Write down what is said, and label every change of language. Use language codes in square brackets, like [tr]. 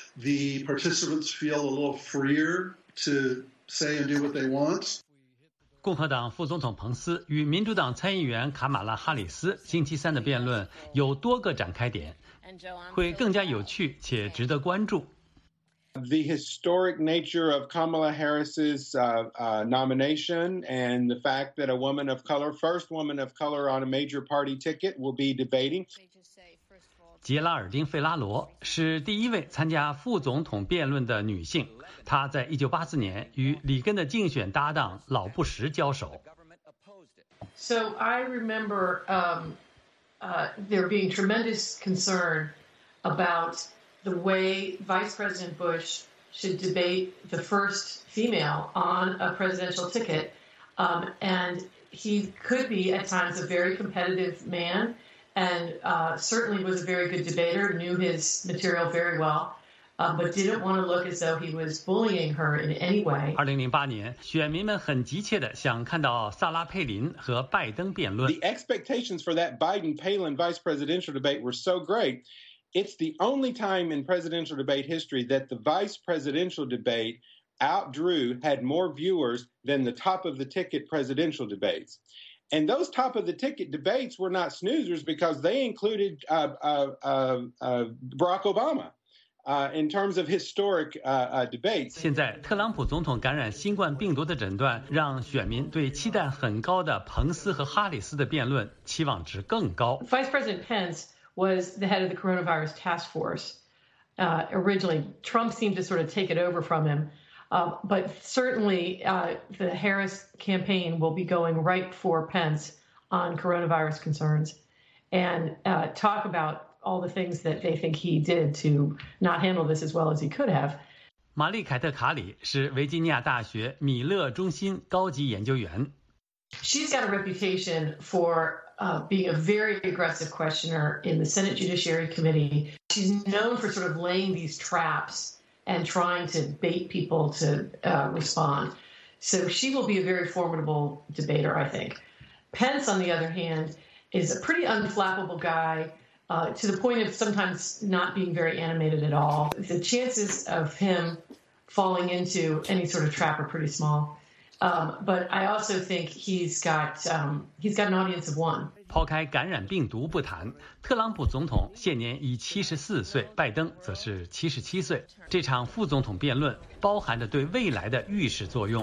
[en] The participants feel a little freer to say and do what they want. [zh] 共和党副总统彭斯与民主党参议员卡马拉·哈里斯星期三的辩论有多个展开点，会更加有趣且值得关注。 [en] The historic nature of Kamala Harris's nomination and the fact that a woman of color, first woman of color on a major party ticket, will be debating. [zh] 杰拉尔丁·费拉罗是第一位参加副总统辩论的女性，她在1984年与里根的竞选搭档老布什交手。 [en] So I remember there being tremendous concern about. The way Vice President Bush should debate the first female on a presidential ticket. And he could be at times a very competitive man and certainly was a very good debater, knew his material very well, but didn't want to look as though he was bullying her in any way. [zh] 2008年，选民们很急切地想看到萨拉·佩林和拜登辩论。 [en] The expectations for that Biden-Palin vice presidential debate were so great. It's the only time in presidential debate history that the vice presidential debate outdrew, had more viewers than the top of the ticket presidential debates. And those top of the ticket debates were not snoozers because they included Barack Obama in terms of historic debates. [zh] 现在特朗普总统感染新冠病毒的诊断让选民对期待很高的彭斯和哈里斯的辩论期望值更高。 [en] Vice President Pence,was the head of the coronavirus task force originally. Trump seemed to sort of take it over from him. But certainly the Harris campaign will be going right for Pence on coronavirus concerns and talk about all the things that they think he did to not handle this as well as he could have. [zh] 玛丽·凯特·卡里是维吉尼亚大学米勒中心高级研究员。 [en] She's got a reputation for being a very aggressive questioner in the Senate Judiciary Committee. She's known for sort of laying these traps and trying to bait people to respond. So she will be a very formidable debater, I think. Pence, on the other hand, is a pretty unflappable guy to the point of sometimes not being very animated at all. The chances of him falling into any sort of trap are pretty small. But I also think he's got an audience of one. [zh] 抛开感染病毒不谈，特朗普总统现年已74岁，拜登则是77岁。这场副总统辩论包含着对未来的预示作用。